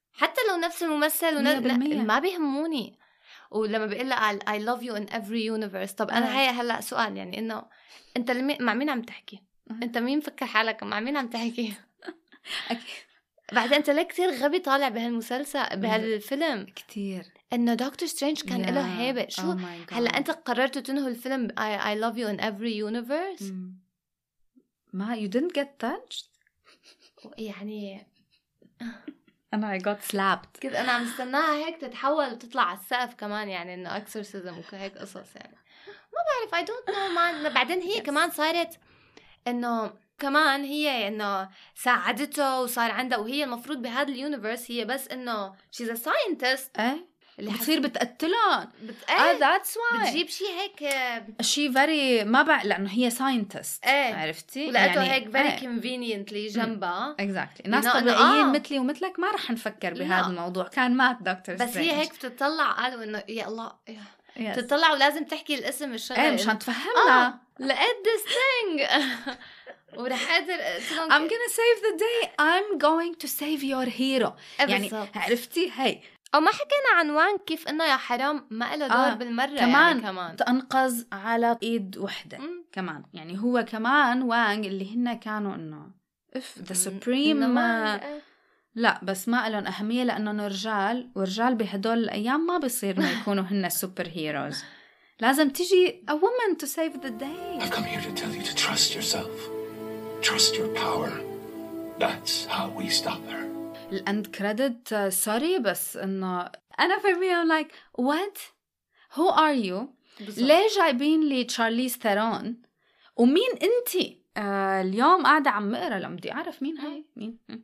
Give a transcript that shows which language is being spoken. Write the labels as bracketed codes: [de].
[ar] حتى لو نفس الممثل ما بيهموني. ولما بيقول لها [en] I love you in every universe، [ar] طب أنا هي هلأ سؤال، يعني إنه أنت مع مين عم تحكي؟ أنت مين فكر حالك مع مين عم تحكي؟ بعدين أنت ليه كتير غبي طالع بهالمسلسل بهالفيلم؟ كتير إنه دكتور سترينج كان له هيبة. شو هلأ أنت قررت تنهي الفيلم [en] I love you in every universe؟ [ar] ما [en] you didn't get touched؟ [ar] يعني أنا [en] I got slapped. [ar] كده أنا عم استناها هيك تتحول وتطلع على السقف كمان، يعني إنه exorcism وكهيك قصص، يعني ما بعرف [en] I don't know man. [ar] بعدين هي [en] yes. [ar] كمان صارت إنه كمان هي إنه ساعدته وصار عندها، وهي المفروض بهذا اليونيفرس هي بس إنه [en] she's a scientist. [ar] اللي بتصير بتقتلهم. [en] That's why. [ar] بتجيب شيء هيك. شيء very ما بع لأنه هي scientist. عرفتي. ولقيته يعني هيك [en] very conveniently [ar] جنبها. [en] Exactly. [ar] الناس طبيعيين مثلي ومثلك ما رح نفكر بهذا الموضوع. كان مات دكتور. بس [en] Strange. [ar] هي هيك بتطلع قالوا إنه يا الله. [en] Yes. [ar] تطلع ولازم تحكي الاسم الشغل. مشان تفهمنا. لقيت [en] this thing. [ar] ورح أقدر [en] I'm gonna save the day. I'm going to save your hero. [ar] يعني عرفتي هاي. أو ما حكينا عن وان كيف إنه يا حرام ما له دور بالمرة كمان، يعني كمان تأنقذ على إيد وحدة كمان، يعني هو كمان وان اللي هن كانوا إنه [en] the supreme [ar] لا بس ما لهم أهمية لأنه رجال، ورجال بهدول الأيام ما بيصير ما يكونوا هن سوبر هيروز. لازم تيجي [en] a woman to save the day. I come here to tell you to trust yourself. Trust your power. That's how we stop her. [ar] الأند كريدت سوري بس إنه أنا [en] for me I'm like what? Who are you? [ar] بالزبط. ليه جايبين لي تشارليز ثيرون؟ ومين أنتي؟ اليوم قاعدة عم أقرأ لما بدي أعرف مين هاي مين.